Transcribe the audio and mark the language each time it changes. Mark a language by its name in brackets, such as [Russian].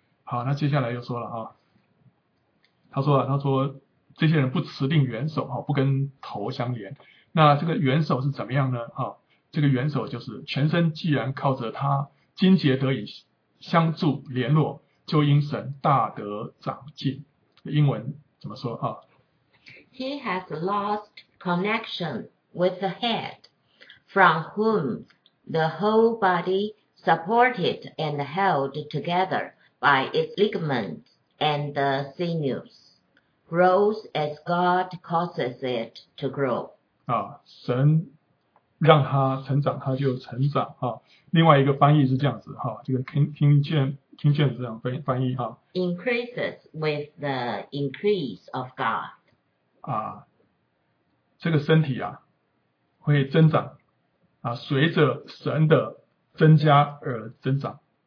[Chinese] 好，那接下来又说了啊，他说这些人不持定元首啊，不跟头相连。那这个元首是怎么样呢？啊，这个元首就是全身既然靠着他，精竭得以相助联络，就因神大得长进。英文怎么说啊？ [English] He has lost connection with the head, from whom the whole body, supported and held together by its ligaments and the sinews, grows as God causes it to grow. [Chinese] 啊，神让他成长，他就成长啊。另外一个翻译是这样子哈，这个听见是这样翻译哈。 [English] Increases with the increase of God. [Chinese] 啊，这个身体啊会增长啊，随着神的增加而增长。